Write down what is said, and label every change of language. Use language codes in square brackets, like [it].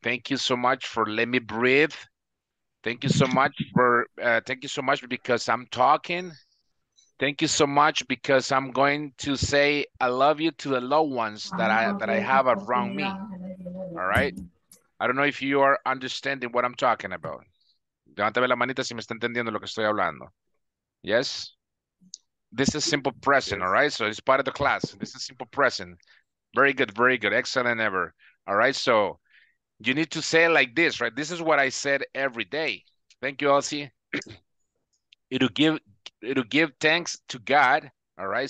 [en] Thank you so much for letting me breathe. Thank you so much for, thank you so much because I'm talking. Thank you so much because I'm going to say I love you to the loved ones that I have around me. All right? I don't know if you are understanding what I'm talking about. [es] Levántame la manita si me está entendiendo lo que estoy hablando. [en] Yes? This is simple present, all right? So it's part of the class. This is simple present. Very good, very good. Excellent ever. All right? So you need to say it like this, right? This is what I said every day. Thank you, Elsie. It'll give thanks to God, all right?